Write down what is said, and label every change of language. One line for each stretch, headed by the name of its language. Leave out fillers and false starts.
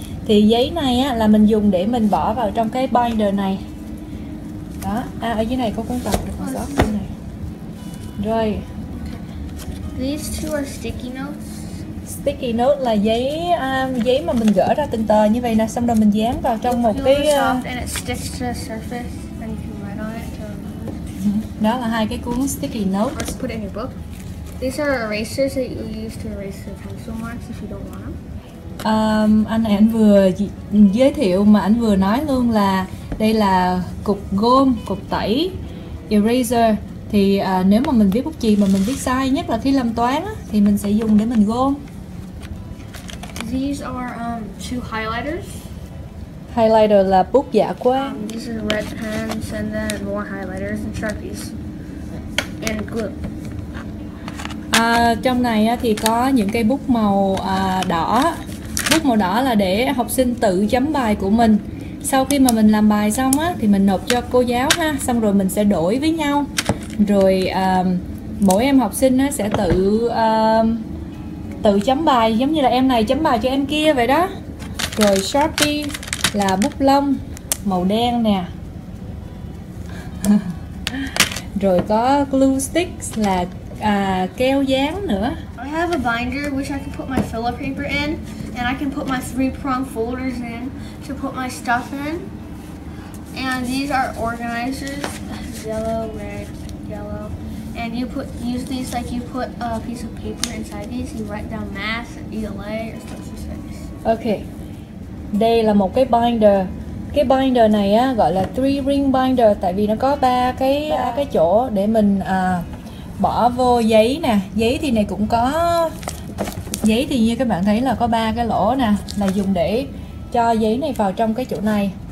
Vietnamese: Thì giấy này á, là mình dùng để mình bỏ vào trong cái binder này. Đó, à, ở dưới này có cuốn tập được còn sót bên này. Rồi.
English: These two are sticky
Vietnamese: Sticky note là giấy giấy mà mình gỡ ra từng tờ như vậy nè, xong rồi mình dán vào trong
English: notes.
Vietnamese: một
English: You
Vietnamese: cái
English: peel this off and it sticks to the surface, then you can write on it to remove.
Vietnamese: Đó là hai cái cuốn sticky note.
English: Or put it in your book. These are erasers that you use to erase the pencil marks if you don't want them.
Vietnamese: Anh này anh vừa giới thiệu mà anh vừa nói luôn là đây là cục gôm, cục tẩy, eraser. Thì nếu mà mình viết bút chì mà mình viết sai, nhất là khi làm toán á, thì mình sẽ dùng để mình gôm.
English: These are two highlighters.
Vietnamese: Highlighter là bút dạ quang.
English: These are red pens and then more highlighters and sharpies and glue.
Vietnamese: Trong này á, thì có những cây bút màu đỏ. Bút màu đỏ là để học sinh tự chấm bài của mình. Sau khi mà mình làm bài xong á, thì mình nộp cho cô giáo ha. Xong rồi mình sẽ đổi với nhau. Rồi mỗi em học sinh á, sẽ tự tự chấm bài giống như là em này chấm bài cho em kia vậy đó. Rồi Sharpie là bút lông màu đen nè. Rồi có glue sticks là keo dán nữa.
English: I have a binder which I can put my filler paper in, and I can put my three-prong folders in to put my stuff in. And these are organizers, yellow, red, yellow. And you put use these like you put a piece of paper inside these. You write down mass, ELA, or stuff like this.
Vietnamese: Okay. Đây là một cái binder. Cái binder này á, gọi là three ring binder tại vì nó có ba cái chỗ để mình bỏ vô giấy nè. Giấy thì này cũng có giấy thì như các bạn thấy là có ba cái lỗ nè, là dùng để cho giấy này vào trong cái chỗ này.